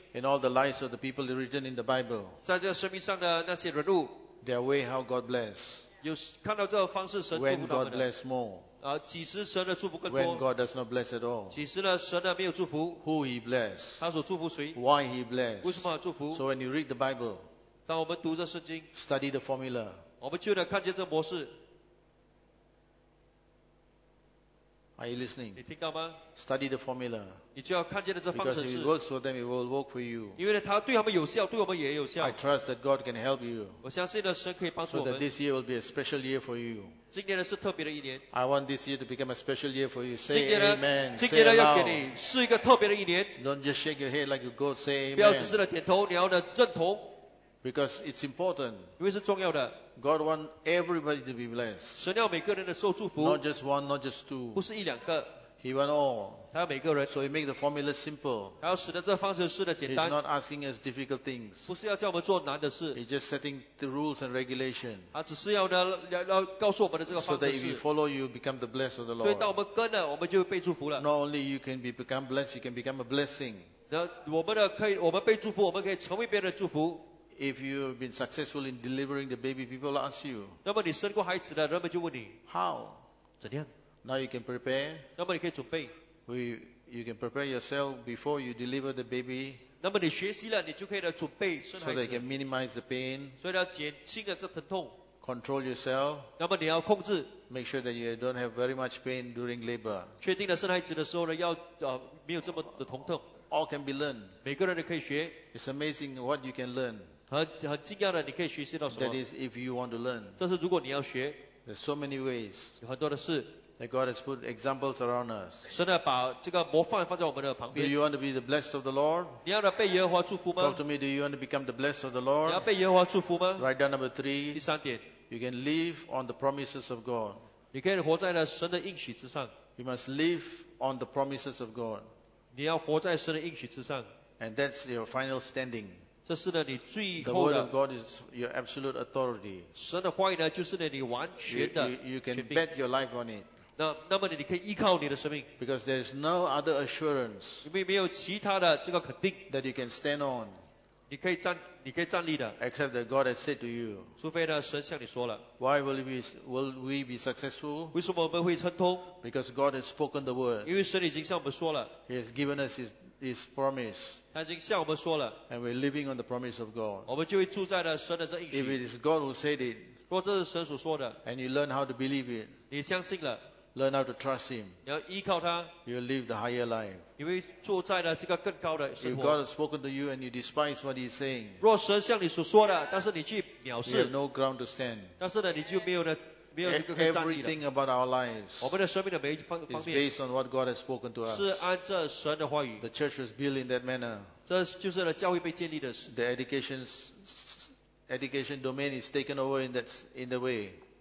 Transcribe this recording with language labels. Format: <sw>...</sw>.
<en>in all the lives of the people written in the Bible.</en> <zh>在这生命上的那些人物,</zh> <en>their way how God bless.</en> <zh>有看到这方式神祝福他们的,</zh> <en>when God bless more.</en> <zh>几时神的祝福更多,</zh> <en>when God does not bless at all.</en> <zh>几时呢神的没有祝福,</zh> <en>who he bless.</en> <zh>他所祝福谁,</zh> <en>why he bless.</en> <zh>为什么祝福,</zh> <en>so when you read the Bible,</en> <zh>当我们读着圣经,</zh> <en>study the formula.</en> <zh>我们就能看见这模式。</zh> <en>Are you listening?</en> <zh>你听到吗?</zh> <en>Study the formula.</en> <zh>你就要看见的这方程式。</zh> <en>Because if it works for them, it will work for you.</en> <zh>因为它对他们有效,</zh> <en>I trust that God can help you.</en> <zh>我相信的神可以帮助我们。</zh> <en>So that this year will be a special year for you.</en> <zh>今年是特别的一年。</zh> <en>I want this year to become a special year for you. Say</en> <zh>今年呢, 今年要给你是一个特别的一年。</zh> <en>Don't just shake your head like you go, say amen.</en> <zh>不要只是的点头, 你要的正头。</zh> <en>Because it's important.</en> <zh>因为是重要的。</zh> <en>God wants everybody to be blessed.</en> <zh>神要每个人的受祝福,</zh> <en>not just one, not just two.</en> <zh>不是一两个,</zh> <en>he wants all.</en> <zh>他要每个人,</zh> <en>so he makes the formula simple.</en> <zh>他要使得这方程式的简单,</zh> <en>he's not asking us difficult things.</en> <zh>不是要叫我们做难的事,</zh> <en>he's just setting the rules and regulations.</en> <zh>他只是要告诉我们的这个方程式,</zh> <en>so that if you follow, you become the blessed of the Lord.</en> <zh>所以当我们跟了,</zh> <en>not only you can be become blessed, you can become a blessing.</en> <zh>我们的可以, 我们被祝福, 我们可以成为别人的祝福。</zh> <en>If you have been successful in delivering the baby, people ask you,</en> <zh>那么你生过孩子的, 人们就问你,</zh> <en>how?</en> <zh>怎样?</zh> <en>Now you can prepare.</en> <zh>那么你可以准备,</zh> <en>you can prepare yourself before you deliver the baby.</en> <zh>那么你学习了,</zh> <en>so that you can minimize the pain.</en> <zh>所以要减轻了这疼痛,</zh> <en>control yourself.</en> <zh>那么你要控制,</zh> <en>make sure that you don't have very much pain during labor.</en> <zh>确定了生孩子的时候呢, 要没有这么的疼痛。</zh> <en>All can be learned.</en> <zh>每个人都可以学,</zh> <en>it's amazing what you can learn.</en> <zh>很惊讶的你可以学习到什么?</zh> <en>That is if you want to learn.</en> <zh>这是如果你要学,</zh> <en>there's so many ways.</en> <zh>有很多的事,</zh> <en>that God has put examples around us.</en> <zh>神把这个模范放在我们的旁边。</zh> <en>Do you want to be the blessed of the Lord?</en> <zh>你要被耶和华祝福吗?</zh> <en>Talk to me, do you want to become the blessed of the Lord?</en> <zh>你要被耶和华祝福吗?</zh> <en>Write down number three.</en> <zh>第三点,</zh> <en>you can live on the promises of God.</en> <zh>你可以活在神的应许之上。</zh> <en>You must live on the promises of God.</en> <zh>你要活在神的应许之上。</zh> <en>And that's your final standing.</en> <zh>这是呢你最后的,</zh> <en>the word of God is your absolute authority.</en> <zh>神的话语呢就是呢你完全的,</zh> <en>you can bet your life on it.</en> <zh>那么你可以依靠你的生命,</zh> <en>because there is no other assurance,</en> <zh>因为没有其他的这个肯定,</zh> <en>that you can stand on,</en> <zh>你可以站立的,</zh> <en>except that God has said to you,</en> <zh>除非呢神向你说了,</zh> <en>why will we be successful?</en> <zh>为什么我们会成功?</zh> <en>Because God has spoken the word.</en> <zh>因为神已经向我们说了,</zh> <en>he has given us his promise.</en> <zh>他已经向我们说了,</zh> <en>and we're living on the promise of God.</en> <zh>我们就会住在了神的这应许,</zh> <en>if it is God who said it,</en> <zh>若这是神所说的,</zh> <en>and you learn how to believe it,</en> <zh>你相信了,</zh> <en>learn how to trust him,</en> <zh>你要依靠他,</zh> <en>you'll live the higher life.</en> <zh>你会住在了这个更高的生活。</zh> <en>If God has spoken to you and you despise what he's saying,</en> <zh>若神向你所说的, 但是你去藐视,</zh> <en>you have no ground to stand.</en> <zh>但是呢你就没有呢,</zh> <en>everything about our lives is based on what God has spoken to us. The church was built in that manner. The education domain is taken over in the way.</en>